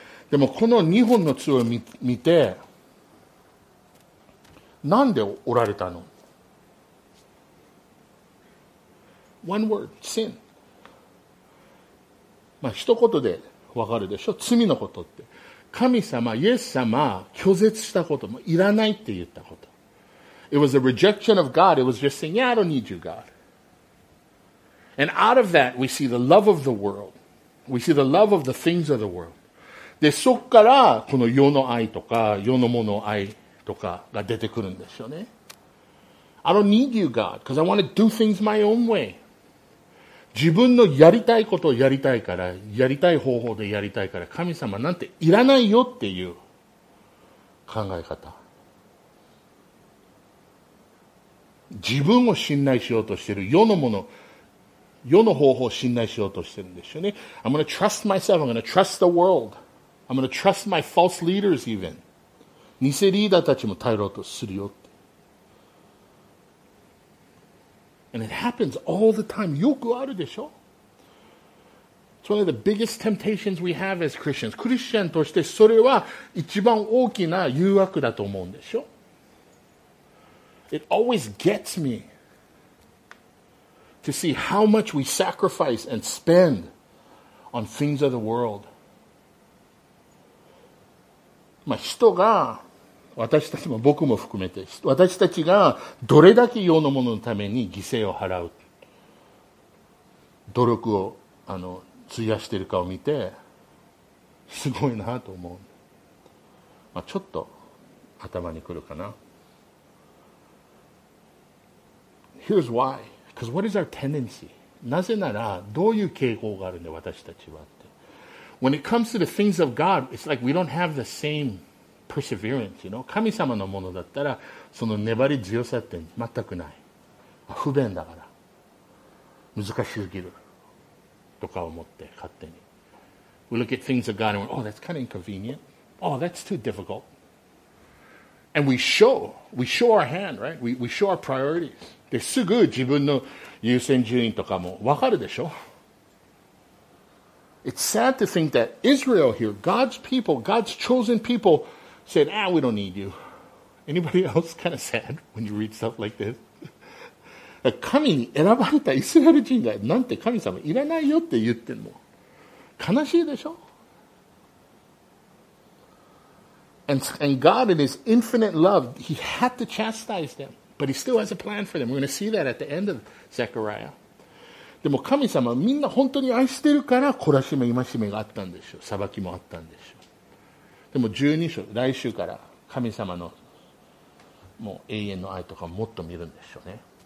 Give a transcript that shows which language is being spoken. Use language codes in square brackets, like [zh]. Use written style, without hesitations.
[ja] でもこの2本の杖を見て、なんで折られたの？ [en] One word, sin. [ja] まあ一言でわかるでしょ、罪のことって。神様、イエス様、拒絶したことも、いらないって言ったこと。 [en] It was a rejection of God. It was just saying, yeah, I don't need you, God. And out of that, we see the love of the world. We see the love of the things of the world. [ja] で、そこから、この世の愛とか、世のものの愛とかが出てくるんですよね。 [en] I don't need you, God, because I want to do things my own way. [ja] 自分のやりたいことをやりたいから、やりたい方法でやりたいから、神様なんていらないよっていう考え方。自分を信頼しようとしている世のもの、世の方法を信頼しようとしてるんですよね。 [en] I'm going to trust myself. I'm going to trust the world. I'm going to trust my false leaders even. [ja] 偽リーダーたちも頼ろうとするよって。 [en] And it happens all the time. [ja] よくあるでしょ? [en] It's one of the biggest temptations we have as Christians. [ja] クリスチャンとしてそれは一番大きな誘惑だと思うんでしょ? [en] It always gets me. To see how much we sacrifice and spend on things of the world. [ja] まあ人が、私たちも僕も含めて、私たちがどれだけ世のもののために犠牲を払う、努力を費やしているかを見て、すごいなと思う。まあちょっと頭にくるかな。 [en] Here's why. Because what is our tendency? [ja] なぜならどういう傾向があるんで私たちはって。 [en] When it comes to the things of God, it's like we don't have the same perseverance, you know? [ja] 神様のものだったらその粘り強さって全くない。不便だから。難しすぎる。とか思って勝手に。 [en] We look at things of God and we're, oh, that's kind of inconvenient. Oh, that's too difficult. And we show our hand, right? We show our priorities. [ja] ですぐ自分の優先順位とかも分かるでしょ? [en] It's sad to think that Israel here, God's people, God's chosen people, said, ah, we don't need you. Anybody else kind of sad when you read stuff like this? [ja] 神に選ばれたイスラエル人がなんて神様いらないよって言っても悲しいでしょ? [en] And God in his infinite love, he had to chastise them. But he still has a plan for them. We're going to see that at the end of Zechariah. [ja] でも神様はみんな本当に愛してるから懲らしめ戒めがあったんでしょう。裁きもあったんでしょう。でも12章、来週から神様のもう永遠の愛とかもっと見るんでしょうね。